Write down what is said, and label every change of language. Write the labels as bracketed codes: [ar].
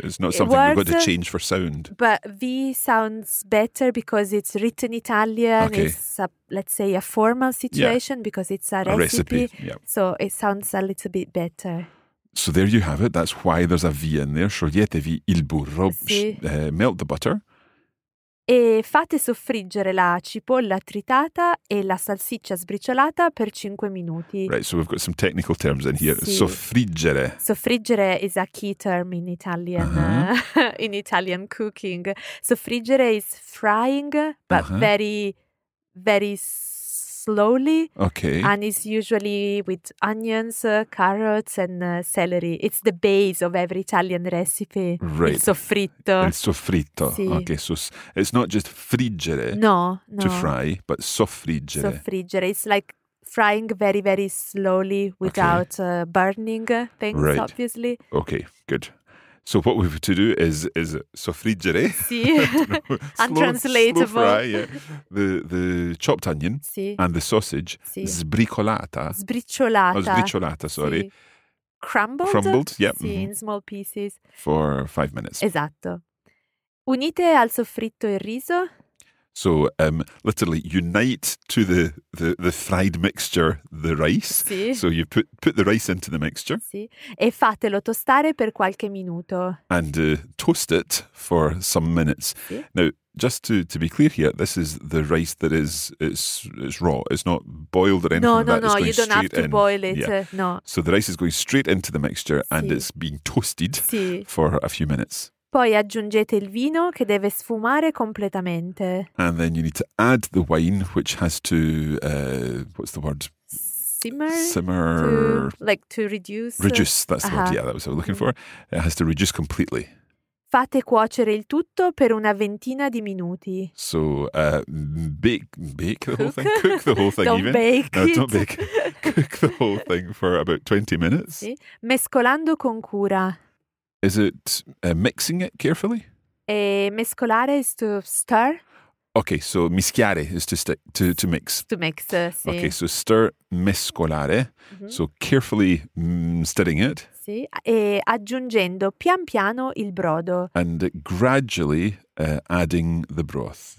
[en] It's not something we've got to change for sound. But V sounds better because it's written Italian. Okay. It's, a, let's say, a formal situation yeah. Because it's a recipe. Yeah. So it sounds a little bit better. So there you have it. That's why there's a V in there. [it] Scioglietevi il burro. Sì. [en] Melt the butter. [it] E fate soffriggere la cipolla tritata e la salsiccia sbriciolata per 5 minuti. [en] Right, so we've got some technical terms in here. [it] Sì. Soffriggere. [en] Soffriggere is a key term in Italian, uh-huh. In Italian cooking. Soffriggere is frying, but uh-huh. Very, very slowly. Okay. And it's usually with onions, carrots and celery. It's the base of every Italian recipe. Right. [it] Il soffritto. Sì. [en] Okay, so it's not just friggere. No, no. To fry, but soffriggere. [it] Soffriggere. [en] It's like frying very, very slowly without okay. Burning things, right. Obviously. Okay, good. So what we have to do is soffriggere. Sì. Untranslatable. Slow fry, yeah. The chopped onion [it] sì. [en] And the sausage. [it] Sì. Sbricolata. Sbriciolata. [en] Oh, sbriciolata, sorry. Sì. Crumbled. Crumbled, yep. Sì, in small pieces. For 5 minutes. [it] Esatto. Unite al soffritto il riso. [en] So literally unite to the fried mixture, the rice. [it] Sì. [en] So you put the rice into the mixture. [it] Sì. E fatelo tostare per qualche minuto. [en] And toast it for some minutes. [it] Sì. [en] Now, just to be clear here, this is the rice that is raw. It's not boiled or anything. No, you don't have to boil it. Yeah. No. So the rice is going straight into the mixture and it's being toasted for a few minutes. [it] Poi aggiungete il vino che deve sfumare completamente. [en] And then you need to add the wine which has to, what's the word? Simmer. To reduce. Reduce, that's the word, yeah, that was what I was looking for. It has to reduce completely. [it] Fate cuocere il tutto per una ventina di minuti. [en] So, bake the whole thing, cook the whole thing don't even. Don't bake. Cook the whole thing for about 20 minutes. [it] Sì. Mescolando con cura. [en] Is it mixing it carefully? E mescolare is to stir. Okay, so mischiare is to stick, to mix. To mix, sì. Okay, so stir, mescolare. Mm-hmm. So carefully stirring it. [it] Sì, e aggiungendo pian piano il brodo. [en] And gradually adding the broth.